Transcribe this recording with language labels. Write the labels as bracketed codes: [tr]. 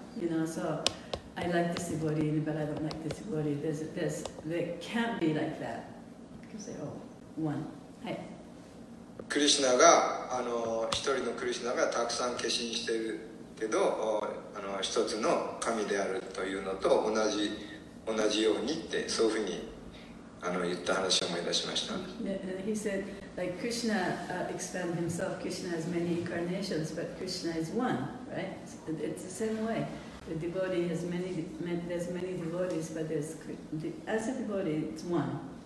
[en] You know, so I like this devotee, but I don't like this devotee. There can't be like that because they're all one. Hi. [ja] クリシナが一人のクリシナがたくさん化身しているけど一つの神であるというのと同じようにってそういうふうに言った話を思い出しました。 [en] He said, like Krishna expand himself. Krishna has many incarnations, but Krishna is one, right? It's the same way. The devotee has many, there's many devotees, but there's as a devotee, it's one.